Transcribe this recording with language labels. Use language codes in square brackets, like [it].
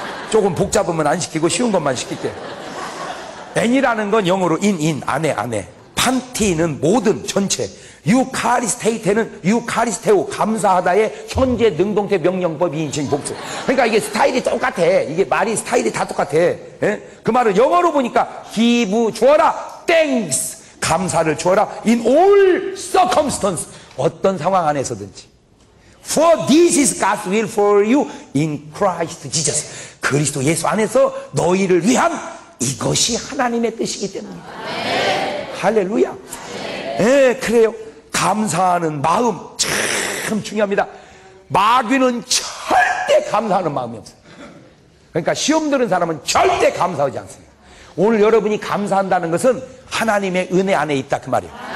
[ko] 조금 복잡하면 안 시키고 쉬운 것만 시킬게. 엔이라는 건 영어로 인, 안에, 안에. 판티는 모든 전체. 유카리스테이테는 유카리스테오, 감사하다의 현재 능동태 명령법 인칭 복수. 그러니까 이게 스타일이 똑같아. 이게 말이 스타일이 다 똑같아. 에? 그 말을 영어로 보니까 기부 주어라, thanks. 감사를 주어라, [en] in all circumstances. [ko] 어떤 상황 안에서든지. [en] For this is God's will for you in Christ Jesus. [ko] 그리스도 예수 안에서 너희를 위한 이것이 하나님의 뜻이기 때문입니다. 할렐루야. 예, 그래요. 감사하는 마음 참 중요합니다. 마귀는 절대 감사하는 마음이 없어요. 그러니까 시험 들은 사람은 절대 감사하지 않습니다. 오늘 여러분이 감사한다는 것은 하나님의 은혜 안에 있다 그 말이에요.